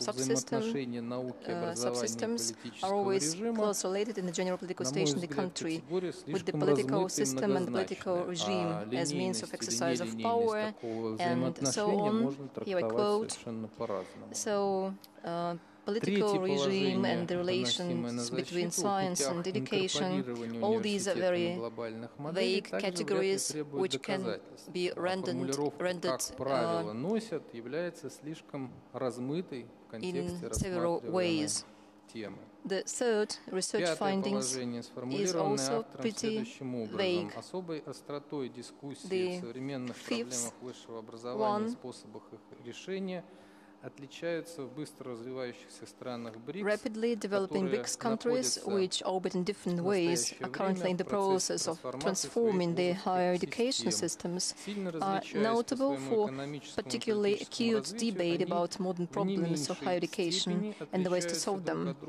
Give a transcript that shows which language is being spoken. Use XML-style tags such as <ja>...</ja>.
<ru>взаимоотношения науки, образования и политического режима, на мой взгляд, категория слишком размыта и многозначна, а линейность или нелинейность такого взаимоотношения можно трактовать совершенно по-разному.</ru> <en>Political regime and the relations between science and education, all these are very vague categories which can be rendered in several ways. The third research findings is also pretty vague.</en> <ru>Особой остротой дискуссии в современных проблемах высшего образования и способах их решения отличаются в быстро развивающихся странах БРИКС,</ru> <en>rapidly developing BRICS countries, which orbit in different ways, are currently in the process of transforming their higher education systems, are notable for particularly acute debate about modern problems of higher education and the ways to solve them.</en>